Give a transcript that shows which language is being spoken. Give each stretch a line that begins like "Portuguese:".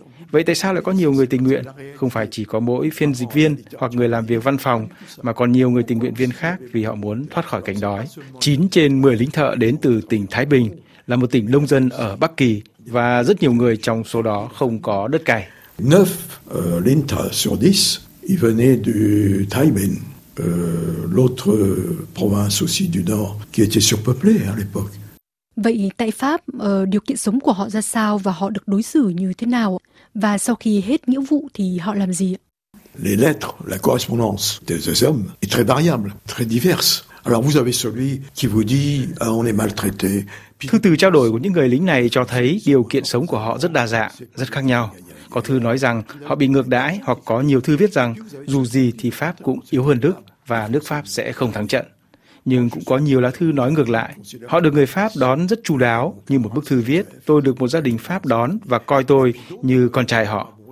Vietnamese: Vậy tại sao lại có nhiều người tình nguyện? Không phải chỉ có mỗi phiên dịch viên hoặc người làm việc văn phòng, mà còn nhiều người tình nguyện viên khác vì họ muốn thoát khỏi cảnh đói. 9 trên 10 lính thợ đến từ tỉnh Thái Bình, là một tỉnh nông dân ở Bắc Kỳ, và rất nhiều người trong số đó không có đất cày.
French: 9 lính thợ sur 10, ils venaient du Thái Bình, l'autre province aussi du Nord, qui était surpeuplée à l'époque.
Vietnamese: Vậy tại Pháp, điều kiện sống của họ ra sao và họ được đối xử như thế nào? Và sau khi hết nghĩa vụ thì họ làm gì?
French: Les lettres, la correspondance des hommes est très variable, très diverse. Alors vous avez celui qui vous dit on est maltraité.
Vietnamese: Thư từ trao đổi của những người lính này cho thấy điều kiện sống của họ rất đa dạng, rất khác nhau. Có thư nói rằng họ bị ngược đãi hoặc có nhiều thư viết rằng dù gì thì Pháp cũng yếu hơn Đức và nước Pháp sẽ không thắng trận. Nhưng cũng có nhiều lá thư nói ngược lại. Họ được người Pháp đón rất chu đáo, như một bức thư viết, tôi được một gia đình Pháp đón và coi tôi như con trai họ.